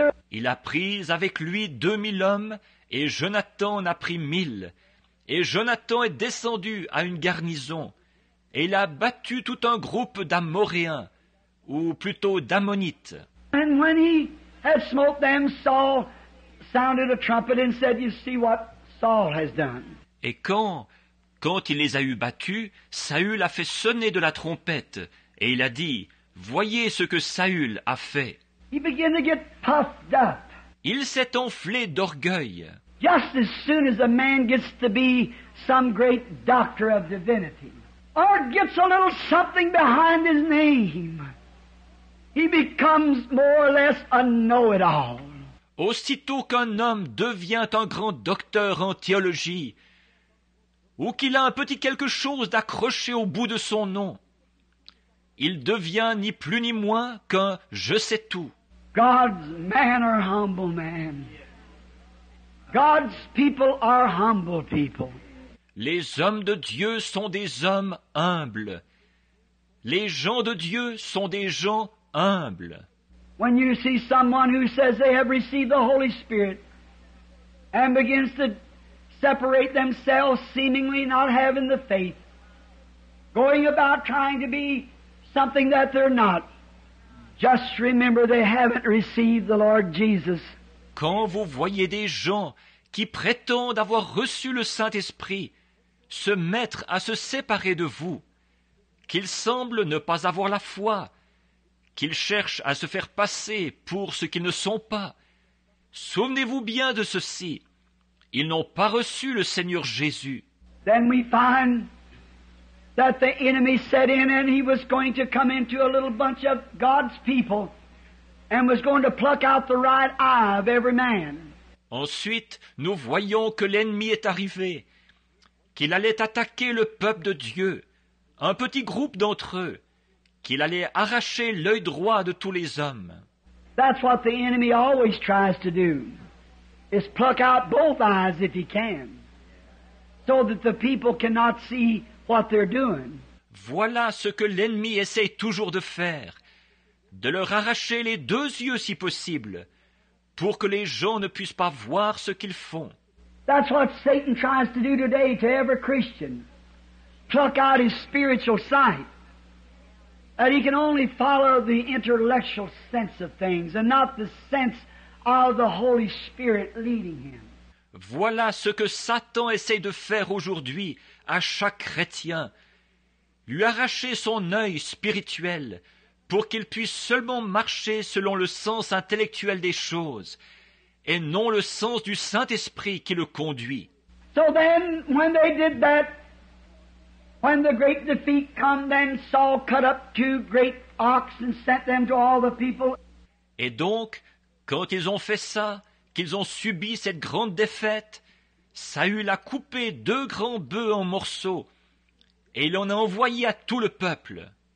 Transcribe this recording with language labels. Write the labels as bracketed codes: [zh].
[fr] Il a pris avec lui 2,000 hommes, et Jonathan en a pris 1,000. Et Jonathan est descendu à une garnison. Et il a battu tout un groupe d'Amoréens, ou plutôt d'Ammonites. [en] And when he had smote them, Saul sounded a trumpet and said, "You see what Saul has done." [fr] Et quand il les a eu battus, Saül a fait sonner de la trompette, et il a dit, voyez ce que Saül a fait. [en] He began to get puffed up. [fr] Il s'est enflé d'orgueil. [en] Just as soon as a man gets to be some great doctor of divinity, or gets a little something behind his name, he becomes more or less a know-it-all. [fr] Aussitôt qu'un homme devient un grand docteur en théologie, ou qu'il a un petit quelque chose d'accroché au bout de son nom, il devient ni plus ni moins qu'un je-sais-tout. [en] God's men are humble men. God's people are humble people. [fr] Les hommes de Dieu sont des hommes humbles. Les gens de Dieu sont des gens humbles. [en] When you see someone who says they have received the Holy Spirit and begins to separate themselves, seemingly not having the faith, going about trying to be something that they're not, just remember they haven't received the Lord Jesus. [fr] Quand vous voyez des gens qui prétendent avoir reçu le Saint-Esprit, se mettre à se séparer de vous, qu'ils semblent ne pas avoir la foi, qu'ils cherchent à se faire passer pour ce qu'ils ne sont pas. Souvenez-vous bien de ceci, ils n'ont pas reçu le Seigneur Jésus. [en] Then we find that the enemy set in and he was going to come into a little bunch of God's people and was going to pluck out the right eye of every man. [fr] Ensuite, nous voyons que l'ennemi est arrivé, qu'il allait attaquer le peuple de Dieu, un petit groupe d'entre eux, qu'il allait arracher l'œil droit de tous les hommes. [en] That's what the enemy always tries to do, is pluck out both eyes if he can, so that the people cannot see what they're doing. [fr] Voilà ce que l'ennemi essaie toujours de faire, de leur arracher les deux yeux si possible, pour que les gens ne puissent pas voir ce qu'ils font. [en] That's what Satan tries to do today to every Christian. Pluck out his spiritual sight. That he can only follow the intellectual sense of things and not the sense of the Holy Spirit leading him. [fr] Voilà ce que Satan essaie de faire aujourd'hui à chaque chrétien. Lui arracher son œil spirituel pour qu'il puisse seulement marcher selon le sens intellectuel des choses et non le sens du Saint-Esprit qui le conduit. [en] So then, when they did that, when the great defeat come, then Saul cut up two great ox and sent them to all the people. [fr] Et donc, quand ils ont fait ça, qu'ils ont subi cette grande défaite, Saül a coupé deux grands bœufs en morceaux et il en a envoyé à tout le peuple.